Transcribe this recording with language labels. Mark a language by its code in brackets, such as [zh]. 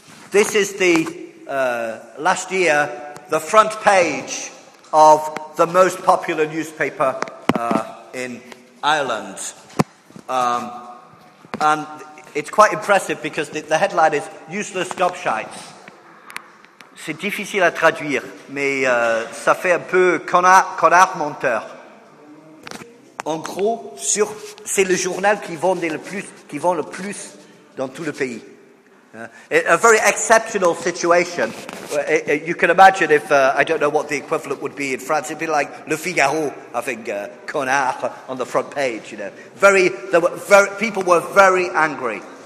[en] This is the last year, the front page of the most popular newspaper in Ireland. And it's quite impressive because the headline is Useless Gobshites. [fr] C'est difficile à traduire, mais ça fait un peu connard menteur. En gros, c'est le journal qui vend le plus dans tout le pays. [en] A very exceptional situation. You can imagine if, I don't know what the equivalent would be in France, it'd be like Le Figaro having connard on the front page, you know. People were very angry.